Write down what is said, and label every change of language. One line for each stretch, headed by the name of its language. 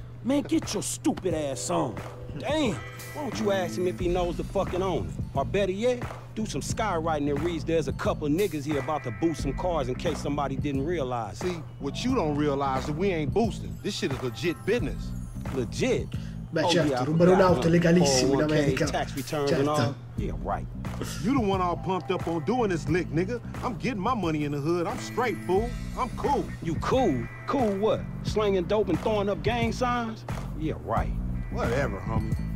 English: Man, get your stupid ass on. Damn. Why don't you ask him if he knows the fucking owner? Or better yet, do some skywriting and reads there's a couple of niggas here about to boost some cars in case somebody didn't realize. See, what you don't realize is we ain't boosting. This shit is legit business. Legit?
Italian: Beh, oh, certo, rubare un'auto legalissimo in America.
English: Tax returns certo. And all. Yeah, right. You the one all pumped up on doing this lick, nigga. I'm getting my money in the hood. I'm straight, fool. I'm cool. You cool? Cool what? Slinging dope and throwing up gang signs? Yeah, right. Whatever, homie.